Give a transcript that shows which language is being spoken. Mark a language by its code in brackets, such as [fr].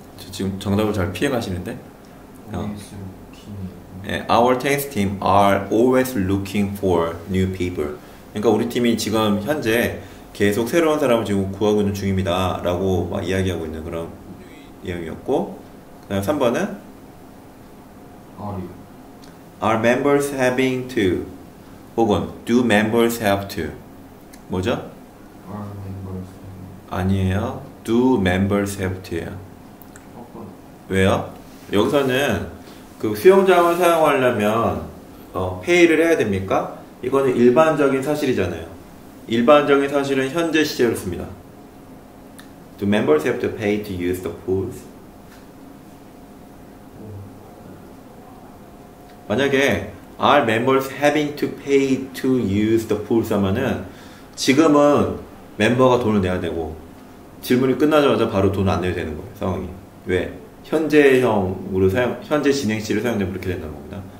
[ko] 저 지금 정답을 잘 피해가시는데? [en] Always looking. 네, our tennis team are always looking for new people. [ko] 그러니까 우리 팀이 지금 현재 계속 새로운 사람을 지금 구하고 있는 중입니다. 라고 막 이야기하고 있는 그런 내용이었고. 그 다음 3번은? [en] Are you? Are members having to? [ko] 혹은 [en] do members have to [ko] 뭐죠? [en] Are members [ko] 아니에요. [en] do members have to [ko] 왜요? 여기서는 그 수영장을 사용하려면 페이를 해야 됩니까? 이거는 일반적인 사실이잖아요. 일반적인 사실은 현재 시제로 씁니다. [en] Do members have to pay to use the pools? [ko] 만약에 [en] Are members having to pay to use the pools? [ko] 하면은 지금은 멤버가 돈을 내야 되고 질문이 끝나자마자 바로 돈을 안 내야 되는 거예요, 상황이. 왜? 현재형으로 사용, 현재 진행시를 사용되면 그렇게 된다는 겁니다.